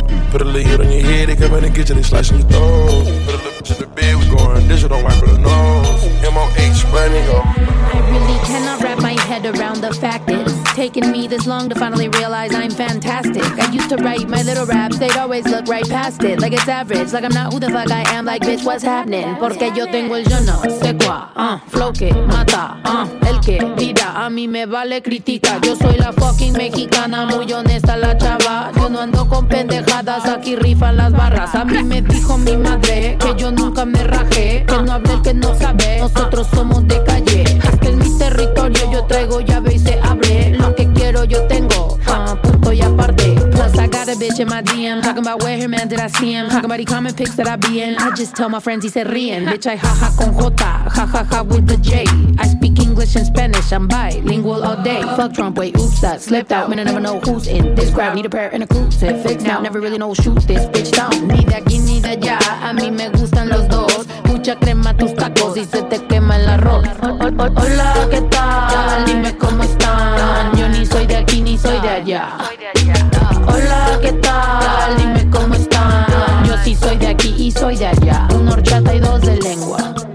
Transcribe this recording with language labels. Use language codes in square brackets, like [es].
[en] Put a little hit on your head, they come in and get you, they slice in your throat. Put a little bitch in the bed, we goin' digital, don't wipe the nose. M-O-H, money, yo. I really cannot wrap my head around the fact it's taken me this long to finally realize I'm fantastic. I used to write my little raps, they'd always look right past it. Like it's average, like I'm not who the fuck I am, like bitch, what's happening? [es] Porque yo tengo el yo no, sé cuá, flow que mata, el que vida, a mí me vale critica. Yo soy la fucking mexicana, muy honesta la chava. Yo no ando con pendejadas, aquí rifan las barras. A mí me dijo mi madre que yo nunca me rajé. Que no hable el que no sabe, nosotros somos de calle. Este es mi territorio, yo traigo llave y se abre. Lo que quiero yo tengo, punto y aparte. [en] Plus I got a bitch in my DM, talking about where her man did I see him. Talking about the comment pics that I be in. I just tell my friends [es] y se ríen. [en] Bitch, I jaja con J, jajaja ja, with the J. I speak English and Spanish, I'm bilingual all day. Fuck Trump, wait, oops, I slipped out. Man, I never know who's in this crowd. Need a prayer and a crucifix now. Never really know who shoots this bitch down. [es] Ni de aquí ni de allá, a mí me gustan los dos. Mucha crema tus tacos y se te quema el arroz. Hola, ¿qué tal? Dime cómo están. Yo ni soy de aquí ni soy de allá. Hola, ¿qué tal? Dime cómo están. Yo sí soy de aquí y soy de allá. Una horchata y dos de lengua.